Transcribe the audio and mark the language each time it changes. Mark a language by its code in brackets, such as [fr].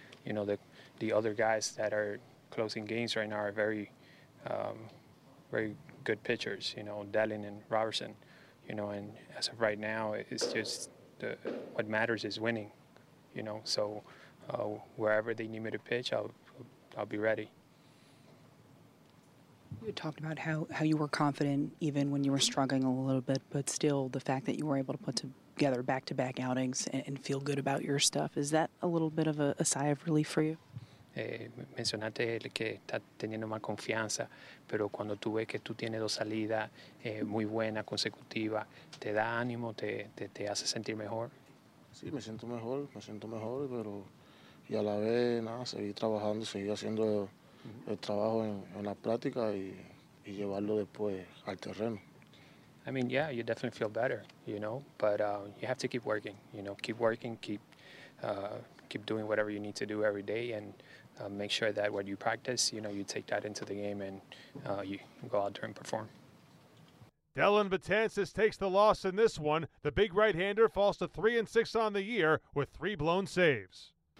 [en] The other guys that are closing games right now are very, very good pitchers, Delin and Robertson, and as of right now, it's just what matters is winning, So wherever they need me to pitch, I'll be ready. You had talked about how you were confident even when you were struggling a little bit, but still the fact that you were able to put together back-to-back outings and feel good about your stuff. Is that a little bit of a sigh of relief for you? [es] Mencionaste que estás teniendo más confianza, pero cuando tú ves que tú tienes dos salidas muy buenas, consecutivas, ¿te da ánimo, te hace sentir mejor? Sí, me siento mejor, pero y a la vez, nada, seguir trabajando, seguir haciendo el trabajo en la práctica y llevarlo después al terreno. [en] I mean, yeah, you definitely feel better, but you have to keep working, keep doing whatever you need to do every day and make sure that what you practice, you take that into the game and you go out there and perform. Delin Betances takes the loss in this one. The big right-hander falls to 3-6 on the year with 3 blown saves.